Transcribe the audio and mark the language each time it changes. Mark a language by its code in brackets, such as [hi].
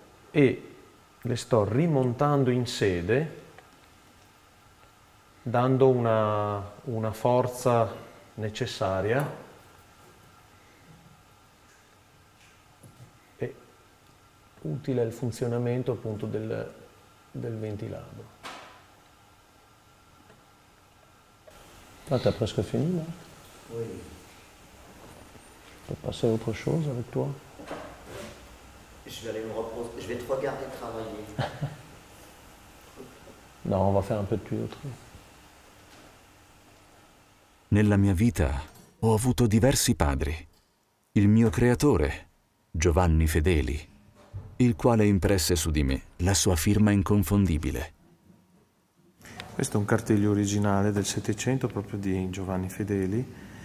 [it] e le sto rimontando in sede dando una forza necessaria e utile al funzionamento appunto del ventilabro. [fr] Ah, t'as presque fini, là? Oui. On peut passer à autre chose avec toi? Je vais aller me reposer. Je vais te regarder travailler. Non, on va faire un peu de tuyauterie. [it] Nella mia vita ho avuto diversi padri. Il mio creatore, Giovanni Fedeli, il quale impresse su di me la sua firma inconfondibile. Questo è un cartiglio originale del Settecento, proprio di Giovanni Fedeli.